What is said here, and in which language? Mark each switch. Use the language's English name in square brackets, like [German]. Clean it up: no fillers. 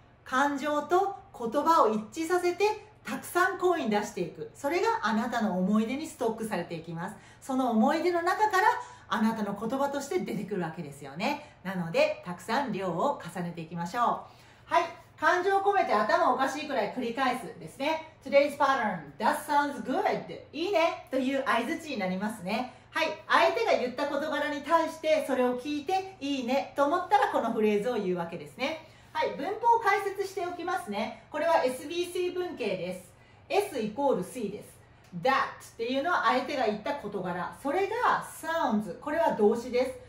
[Japanese] 感情と言葉を一致させてたくさん声に出していく。それがあなたの思い出にストックされていきます。その思い出の中からあなたの言葉として出てくるわけですよね。なのでたくさん量を重ねていきましょう。はい、感情を込めて頭おかしいくらい繰り返すですね。 [English] Today's pattern, that sounds good. [Japanese] いいねという相槌になりますね。はい、相手が言った事柄に対してそれを聞いていいねと思ったらこのフレーズを言うわけですね。はい、文法を解説しておきますね。これは SBC 文型です。 S イコール C です。That っていうのは相手が言った事柄、それが Sounds、 これは動詞です。